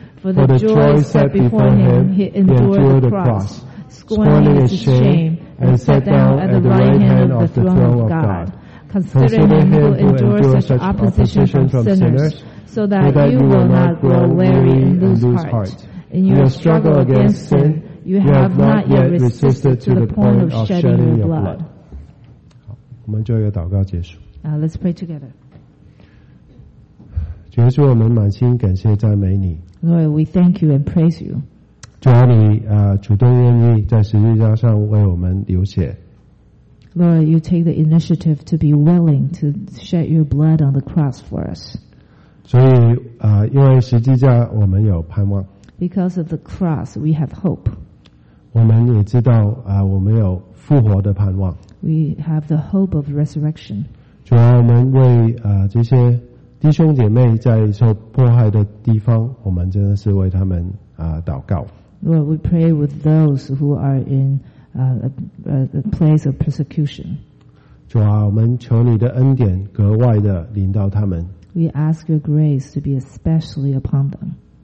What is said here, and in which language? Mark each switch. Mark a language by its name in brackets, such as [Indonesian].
[English] For the joy set before him, he endured the cross, scorning his shame, and sat down at the right hand of the throne of God. Consider him who endured such opposition from sinners, so that you will not grow weary and lose heart. In your struggle against sin, you have not yet resisted to the point of shedding your blood. [Chinese] 好，我们做一个祷告结束。 [English] Let's pray together. [Chinese] 主耶稣，我们满心感谢赞美你。 [English] Lord, we thank you and praise you. [Chinese] 主啊，你主动愿意在十字架上为我们流血。 [English] Lord, you take the initiative to be willing to shed your blood on the cross for us. [Chinese] 所以因为十字架，我们有盼望。 [English] Because of the cross, we have hope. [Chinese] 我们也知道我们有复活的盼望。 [English] We have the hope of resurrection. [Chinese] 主啊，我们为这些弟兄姐妹在受迫害的地方，我们真的是为他们祷告。 [English] Lord, we pray with those who are in a place of persecution. [Chinese] 主啊，我们求你的恩典格外的临到他们。 [English] We ask your grace to be especially upon them.